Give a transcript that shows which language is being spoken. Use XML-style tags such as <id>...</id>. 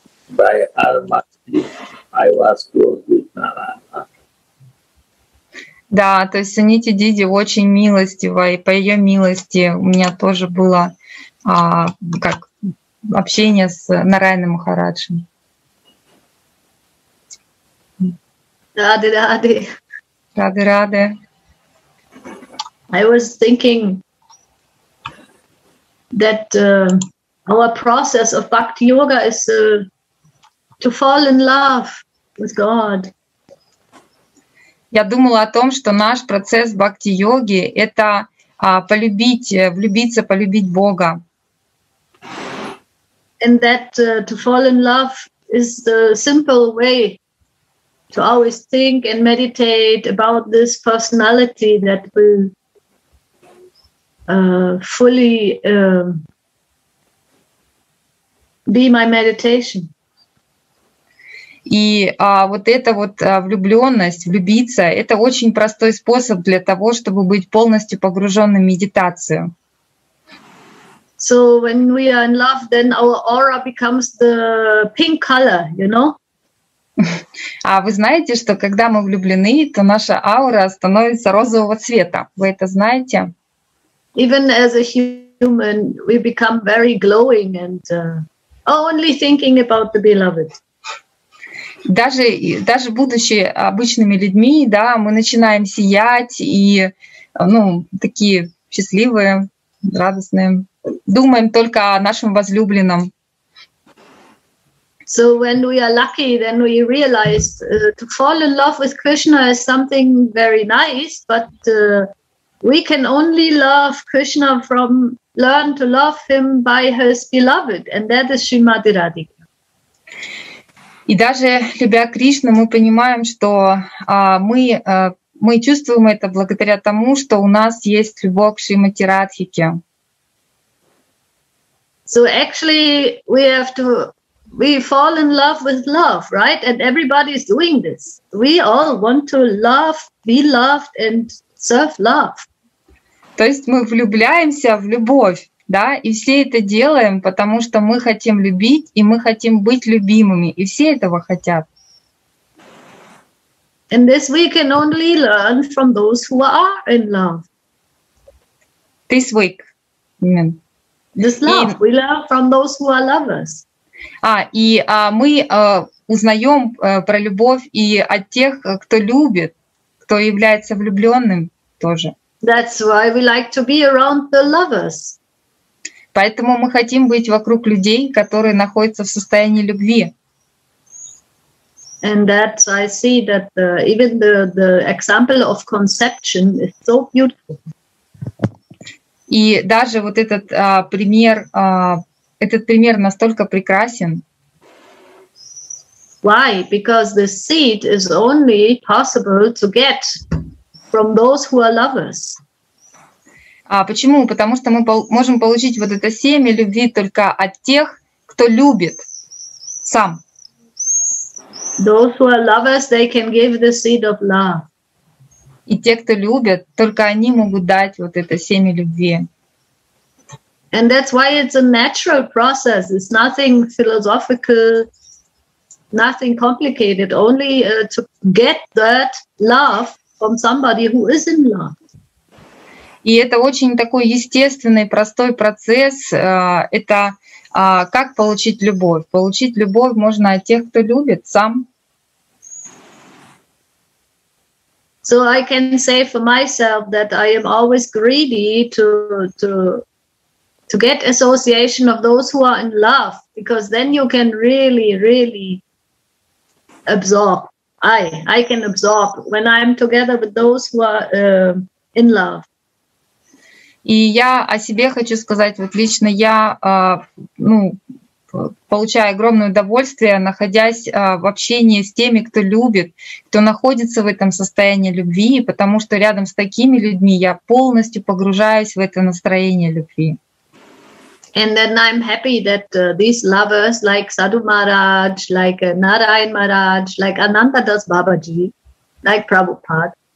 <en>By our mercy, I was close with Narayana.</en> <ru>Да, то есть Суните Диди очень милостива, и по ее милости у меня тоже было как общение с Нарайаной Махараджем. Рады, рады. Рады, рады.</ru> <en>I was thinking that our process of bhakti yoga is to fall in love with God.</en> <ru>Я думала о том, что наш процесс бхакти-йоги — это полюбить Бога.</ru> <en>And that to fall in love is the simple way to always think and meditate about this personality that will fully be my meditation.</en> <ru>И вот эта вот влюблённость, влюбиться — это очень простой способ для того, чтобы быть полностью погружённым в медитацию.</ru> <en>So when we are in love, then our aura becomes the pink color, you know?</en> <ru>А вы знаете, что когда мы влюблены, то наша аура становится розового цвета? Вы это знаете?</ru> <en>Even as a human, we become very glowing and only thinking about the beloved.</en> <ru>Даже будучи обычными людьми, да, мы начинаем сиять и, ну, такие счастливые, радостные. Думаем только о нашем возлюбленном.</ru> <en>So when we are lucky, then we realize to fall in love with Krishna is something very nice, but we can only love Krishna from, learn to love him by his beloved, and that is Srimati Radhika.</en> <ru>И даже любя Кришну, мы понимаем, что мы чувствуем это благодаря тому, что у нас есть любовь к Шримати Радхике.</ru> <en>So actually we have to fall in love with love, right? And everybody is doing this. We all want to love, be loved and serve love.</en> <ru>То есть мы влюбляемся в любовь. Да, и все это делаем, потому что мы хотим любить, и мы хотим быть любимыми, и все этого хотят.</ru> <en>And this we can only learn from those who are in love. This week. Mm. This love, and... we learn from those who are lovers.</en> <ru>Мы узнаем про любовь и от тех, кто любит, кто является влюбленным тоже.</ru> <en>That's why we like to be around the lovers.</en> <ru>Поэтому мы хотим быть вокруг людей, которые находятся в состоянии любви.</ru> <en>And that I see that even the example of conception is so beautiful.</en> <ru>И даже вот этот пример, этот пример настолько прекрасен.</ru> <en>Why? Because the seed is only possible to get from those who are lovers.</en> <ru>А почему? Потому что мы можем получить вот это семя любви только от тех, кто любит сам.</ru> <en>Those who are lovers, they can give the seed of love.</en> <ru>И те, кто любят, только они могут дать вот это семя любви.</ru> <en>And that's why it's a natural process. It's nothing philosophical, nothing complicated. Only to get that love from somebody who is in love.</en> <ru>И это очень такой естественный, простой процесс. Это как получить любовь? Получить любовь можно от тех, кто любит сам.</ru> <en>So I can say for myself that I am always greedy to get association of those who are in love, because then you can really, really absorb. I can absorb when I am together with those who are in love.</en> <ru>И я о себе хочу сказать, вот лично я получаю огромное удовольствие, находясь в общении с теми, кто любит, кто находится в этом состоянии любви, потому что рядом с такими людьми я полностью погружаюсь в это настроение любви.</ru> <en>And then I'm happy that these lovers like Sadhu Maharaj, like Narayan Maharaj, like Ananda Das Babaji, like Prabhupada.</en>